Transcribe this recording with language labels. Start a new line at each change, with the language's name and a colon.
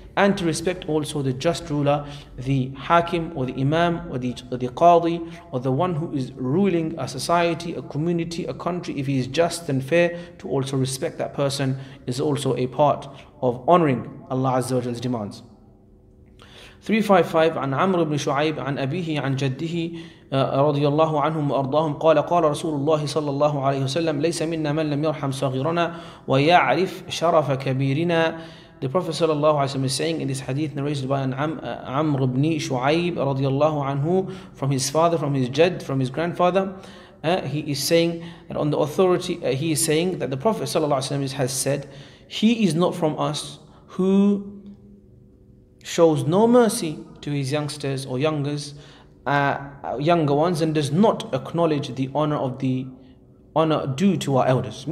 English: And to respect also the just ruler, the hakim or the imam or the qadi, or the one who is ruling a society, a community, a country, if he is just and fair, to also respect that person is also a part of honoring Allah Azza wa Jalla's demands. 355.
Arabic: عن عمرو بن شعيب عن أبيه عن جده رضي الله عنهم وأرضاهم قال قال رسول الله صلى الله عليه وسلم ليس منا من لم يرحم صغيرنا ويعرف شرف كبيرنا.
English: The Prophet sallallahu alaihi wasallam is saying in this hadith narrated by Amr ibn Shu'ayb radiyallahu anhu from his father, from his jad, from his grandfather, he is saying that on the authority, he is saying that the Prophet sallallahu alaihi wasallam has said, he is not from us who shows no mercy to his youngsters or younger ones, and does not acknowledge the honor due to our elders.